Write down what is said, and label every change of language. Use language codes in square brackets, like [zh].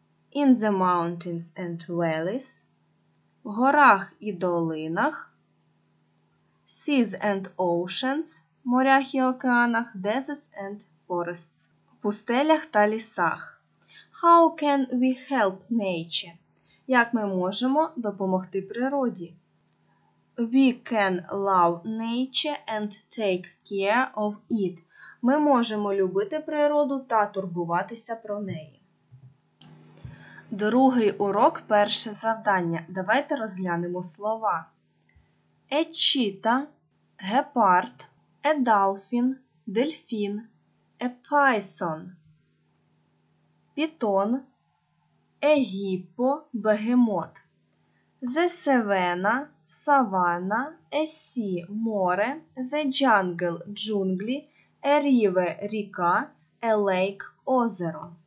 [en] in the mountains and valleys, [uk] в горах і долинах, [en] seas and oceans, [uk] морях і океанах, [en] deserts and forests, [uk] в пустелях та лісах. [en] How can we help nature? [uk] Як ми можемо допомогти природі? [en] We can love nature and take care of it. [uk] Ми можемо любити природу та турбуватися про неї. Другий урок, перше завдання. Давайте розглянемо слова. [en] A cheetah, гепард, a dolphin, дельфін, a python, питон, a hippo, бегемот, the savanna, савана, a sea, море, the jungle, джунглі, a river, ріка, a lake, озеро.